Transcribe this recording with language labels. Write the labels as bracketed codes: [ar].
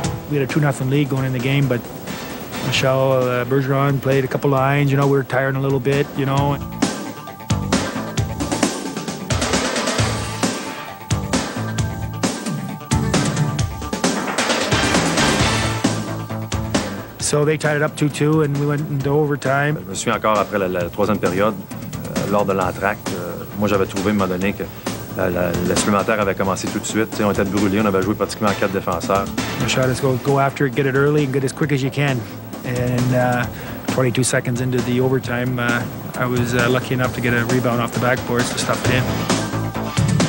[en] We had a 2-0 lead going in the game, but Michel Bergeron played a couple lines. You know, we were tiring a little bit, you know. So they tied it up 2-2, and we went into overtime. [fr] Je me souviens encore après la troisième période, lors de l'entracte. Moi, j'avais trouvé, à un moment donné, que la supplémentaire avait commencé tout de suite. T'sais, on était brûlés, on avait joué pratiquement quatre défenseurs. [en] Michel, let's go after it, get it early, and get as quick as you can. And 22 seconds into the overtime, I was lucky enough to get a rebound off the backboards to stuff it in.